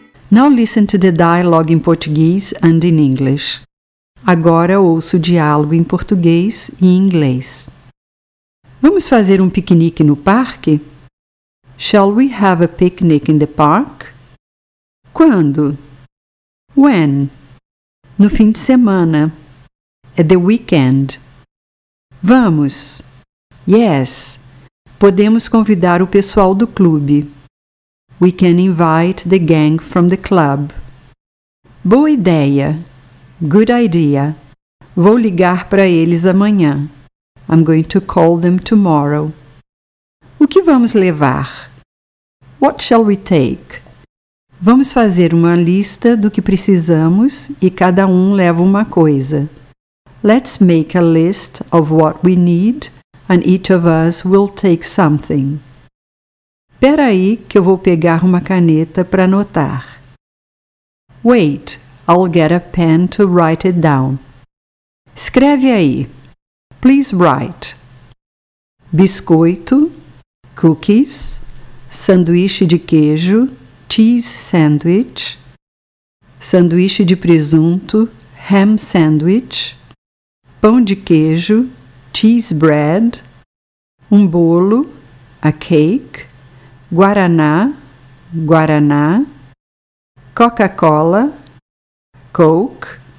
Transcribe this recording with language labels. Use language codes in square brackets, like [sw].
[en] Now listen to the dialogue in Portuguese and in English. [pt] Agora ouço o diálogo em português e em inglês. Vamos fazer um piquenique no parque? [en] Shall we have a picnic in the park? [pt] Quando? [en] When? [pt] No fim de semana. [en] At the weekend. [pt] Vamos. [en] Yes. [pt] Podemos convidar o pessoal do clube. [en] We can invite the gang from the club. [pt] Boa ideia. [en] Good idea. [pt] Vou ligar para eles amanhã. [en] I'm going to call them tomorrow. [pt] O que vamos levar? [en] What shall we take? [pt] Vamos fazer uma lista do que precisamos e cada um leva uma coisa. [en] Let's make a list of what we need and each of us will take something. [pt] Espera aí que eu vou pegar uma caneta para anotar. [en] Wait, I'll get a pen to write it down. [pt] Escreve aí. [en] Please write. [pt] Biscoito, [en] cookies, [pt] sanduíche de queijo, [en] cheese sandwich, [pt] sanduíche de presunto, [en] ham sandwich, [pt] pão de queijo, [en] cheese bread, [pt] um bolo, [en] a cake, [pt] guaraná, guaraná, Coca-Cola, [en] Coke,